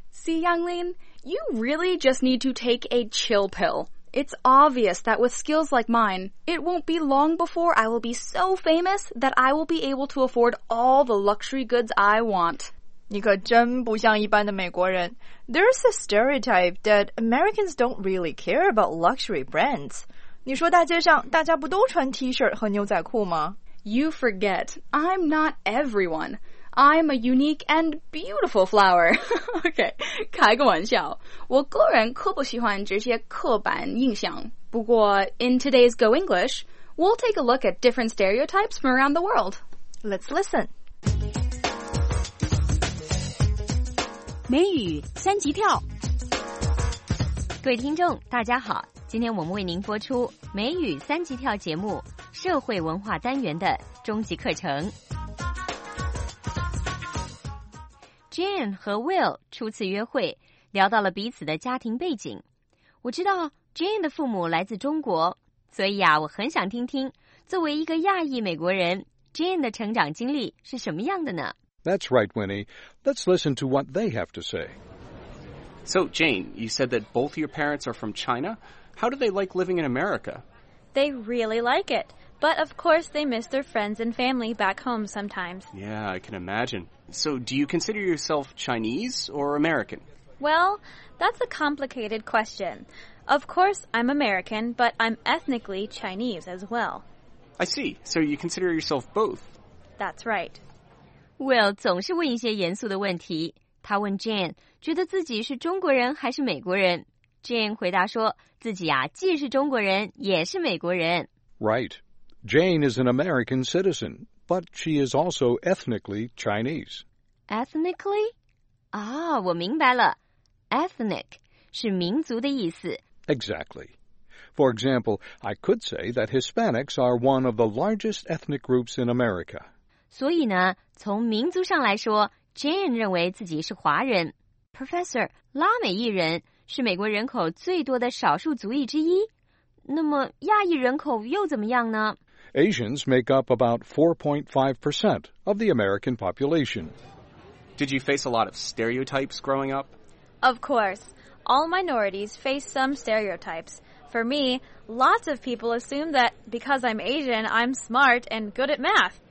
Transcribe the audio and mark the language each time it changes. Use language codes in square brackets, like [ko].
[en] See Yanglin, you really just need to take a chill pill. It's obvious that with skills like mine, it won't be long before I will be so famous that I will be able to afford all the luxury goods I want. [zh] 你可真不像一般的美国人。 [en] There's a stereotype that Americans don't really care about luxury brands. [zh] 你说大街上大家不都穿 T-shirt 和牛仔裤吗？ [en] You forget, I'm not everyone. I'm a unique and beautiful flower. [zh] OK, 开个玩笑。我个人可不喜欢这些刻板印象。不过 [en] in today's Go English, we'll take a look at different stereotypes from around the world. Let's listen. [zh] 美语三级跳。各位听众大家好，今天我们为您播出美语三级跳节目社会文化单元的终极课程。 Jane 和 Will 初次约会，聊到了彼此的家庭背景。我知道 Jane 的父母来自中国，所以啊，我很想听听作为一个亚裔美国人 Jane 的成长经历是什么样的呢？ [en] That's right, Winnie. Let's listen to what they have to say. So, Jane, you said that both your parents are from China. How do they like living in America? They really like it. But, of course, they miss their friends and family back home sometimes. Yeah, I can imagine. So, do you consider yourself Chinese or American? Well, that's a complicated question. Of course, I'm American, but I'm ethnically Chinese as well. I see. So, you consider yourself both? That's right. [zh] Will 总是问一些严肃的问题。他问 Jane, 觉得自己是中国人还是美国人? Jane 回答说,自己啊,既是中国人,也是美国人。 [en] Right. Jane is an American citizen. But she is also ethnically Chinese. [zh] Ethnically? 啊、oh, 我明白了。Ethnic 是民族的意思。 [en] Exactly. For example, I could say that Hispanics are one of the largest ethnic groups in America. [zh] 所以呢从民族上来说 Jane 认为自己是华人。 Professor, 拉美裔人是美国人口最多的少数族裔之一。那么亚裔人口又怎么样呢？ [en] Asians make up about 4.5% of the American population. Did you face a lot of stereotypes growing up? Of course. All minorities face some stereotypes. For me, lots of people assume that because I'm Asian, I'm smart and good at math.